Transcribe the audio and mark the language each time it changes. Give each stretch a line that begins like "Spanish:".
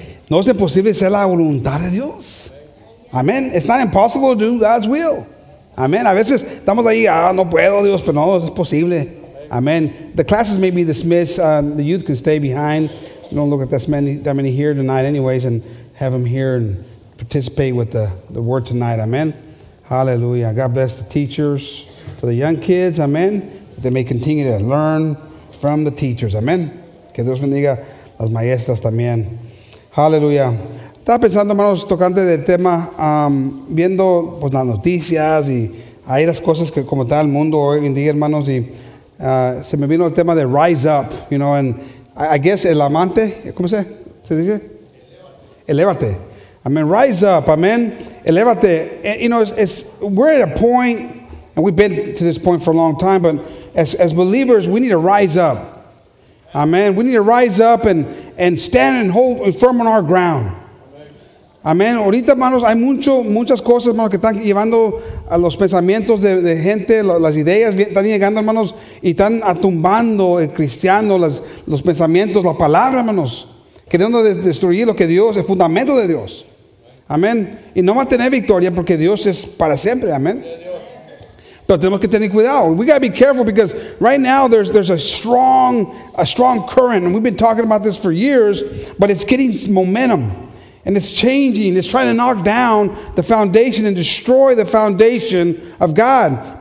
Spanish: No es imposible ser la voluntad de Dios. Amén.
English: It's not impossible to do God's will.
Spanish: Amén. A veces estamos ahí, no puedo, Dios, pero no, es posible.
English: Amén. The classes may be dismissed. The youth can stay behind. Don't look at that many here tonight anyways, and have them here and participate with the word tonight. Amen. Hallelujah. God bless the teachers for the young kids. Amen. They may continue to learn from the teachers.
Spanish: Amen. Que Dios bendiga las maestras también. Hallelujah. Estaba pensando, hermanos, tocante del tema, viendo pues las noticias y ahí las cosas que como está el mundo hoy en día, hermanos, y se me vino el tema de
English: rise up, you know,
Spanish: and I guess el amante, ¿cómo se dice? Elevate. Amen.
English: Rise up.
Spanish: Amen. Elevate.
English: You know, we're at a point, and we've been to this point for a long time, but as believers, we need to rise up. Amen. We need to rise up and stand and hold firm on our ground. Amen.
Spanish: Ahorita, hermanos, hay muchas cosas, hermanos, que están llevando a los pensamientos de gente, las ideas están llegando, hermanos, y están atumbando el cristiano, los pensamientos, la palabra, hermanos, queriendo destruir lo que Dios, el fundamento de Dios. Amen. Y no va a tener victoria porque Dios es para siempre. Amen. Pero tenemos que tener cuidado.
English: We got to be careful because right now there's a strong current, and we've been talking about this for years, but it's getting momentum. And it's changing. It's trying to knock down the foundation and destroy the foundation of God.